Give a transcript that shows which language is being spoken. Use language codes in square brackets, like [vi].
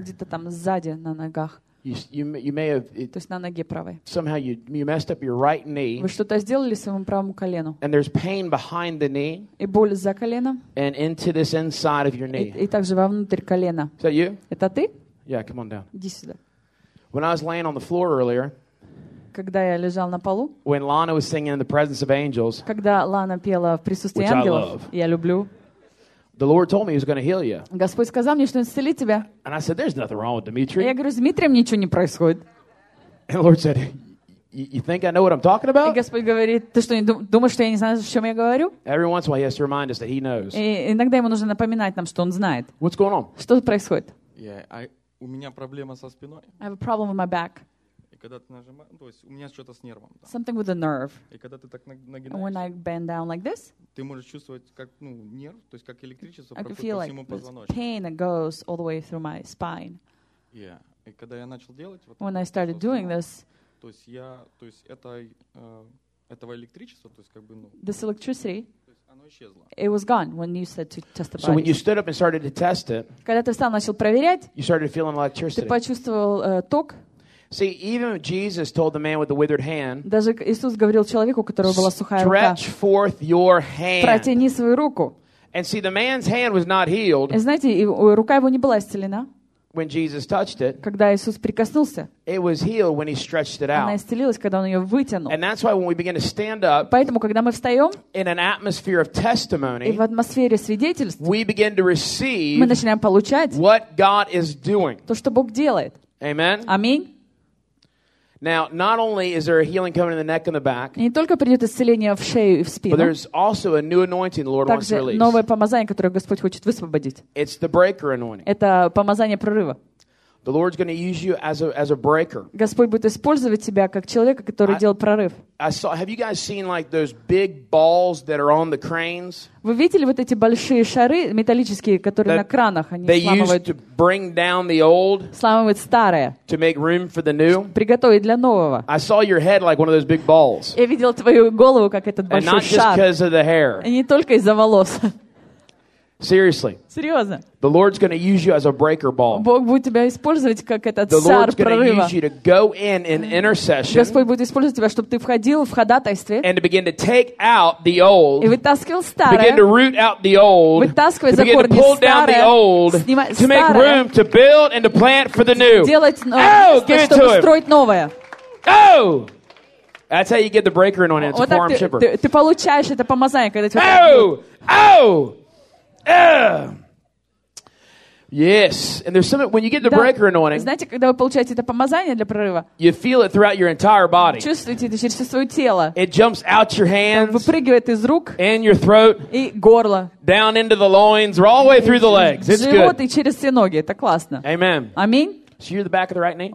[ru] Где-то там сзади на ногах. [en] You may have. [ru] То есть на ноге правой. [en] Somehow you messed up your right knee. [ru] Вы что-то сделали своему правому колену. [en] And there's pain behind the knee. [ru] И боль за коленом. [en] And into this inside of your knee. [ru] И также вовнутрь колена. [en] Is that you? [ru] Это ты? [en] Yeah, come on down. [ru] Иди сюда. [en] When I was laying on the floor earlier. [ru] Когда я лежал на полу. [en] When Lana was singing in the presence of angels. [ru] Когда Лана пела в присутствии ангелов. [en] Which I love. [ru] Я люблю. [en] The Lord told me He was going to heal you. [ru] Господь сказал мне, что Он исцелит тебя. [en] And I said, "There's nothing wrong with Dimitri." [ru] Я говорю, с Дмитрием ничего не происходит. [en] And the Lord said, You think I know what I'm talking about? [ru] И Господь говорит, ты что, думаешь, что я не знаю, о чем я говорю? [en] Every once in a while, he has to remind us that he knows. [ru] И иногда ему нужно напоминать нам, что он знает. [en] What's going on? [ru] Что происходит? У меня проблема со спиной. [en] I have a problem with my back. [ru] И когда ты нажимаешь, то есть у меня что-то с нервом. Да. [en] Something with the nerve. [ru] И когда ты так нагинаешься. [en] When I bend down like this. [ru] Ты можешь чувствовать как нерв, то есть как электричество проходит по всему позвоночнику. [en] I can feel like pain that goes all the way through my spine. Yeah. [ru] И когда я начал делать вот. [en] When I started doing this. [ru] То есть я, то есть это этого электричества, то есть как бы [en] This electricity. [ru] Оно исчезло. [en] It was gone when you said to test the body. So when you stood up and started to test it. [ru] Когда ты встал, начал проверять. [en] You started feeling electricity. [ru] Ты почувствовал ток. [en] See, even Jesus told the man with the withered hand. [ru] Даже Иисус говорил человеку, у которого была сухая рука. [en] Stretch forth your hand. [ru] Протяни свою руку. [en] And see, the man's hand was not healed. [ru] И знаете, рука его не была исцелена. [en] When Jesus touched it, [ru] когда Иисус прикоснулся, [en] it was healed when he stretched it out. [ru] Она исцелилась, когда он ее вытянул. [en] And that's why when we begin to stand up, [ru] поэтому когда мы встаем, [en] in an atmosphere of testimony, [ru] и в атмосфере свидетельств, [en] we begin to receive, [ru] мы начинаем получать, [en] what God is doing, [ru] то, что Бог делает. [en] Amen. [ru] Аминь. [en] Now, not only is there a healing coming in the neck and the back, [ru] не только придет исцеление в шею и в спину, [en] but there's also a new anointing the Lord wants to release. [ru] Новое помазание, которое Господь хочет высвободить. [en] It's the breaker anointing. [ru] Это помазание прорыва. [en] The Lord's going to use you as a breaker. [ru] Господь будет использовать тебя как человека, который делает прорыв. [en] Have you guys seen like those big balls that are on the cranes? [ru] Вы видели вот эти большие шары металлические, которые на кранах они сламывают? [en] To bring down the old. [ru] Сламывают старое. [en] To make room for the new. [ru] Приготовить для нового. [en] I saw your head like one of those big balls. [ru] Я видел твою голову как этот большой шар. [en] And not just because of the hair. [ru] И не только из-за волос. [en] Seriously. [ru] Серьезно. [en] The Lord's going to use you as a breaker ball. [ru] Бог будет тебя использовать как этот [en] The [ru] цар [en] Lord's [ru] прорыва. [en] Going to use you to go in intercession. [ru] Господь будет использовать тебя, чтобы ты входил в ходатайстве. [en] And to begin to take out the old. [ru] И вытаскивал старое. [en] Begin to root out the old. [ru] Вытаскивай за корни старое. [en] Pull down the old. [ru] Снимай старое. [en] To make room to build and to plant for the new. [ru] Делать новое. [en] Oh, give it to him. [ru] Строить новое. [en] Oh! That's how you get the breaker anointing. It's [ru] вот [en] a forearm shipper. [ru] Ты получаешь это помазание, когда тебя. [en] Oh! Oh! Yes, and there's something when you get the breaker anointing. [ru] Знаете, когда вы получаете это помазание для прорыва? [en] You feel it throughout your entire body. [ru] Чувствуете это через все свое тело. [en] It jumps out your hands. [ru] Выпрыгивает из рук. [en] In your throat. [ru] И горло. [en] Down into the loins, or all the way through the legs. It's good. [ru] Живот и через все ноги. Это классно. [en] Amen. [ru] Аминь. [en] So you're the back of the right knee.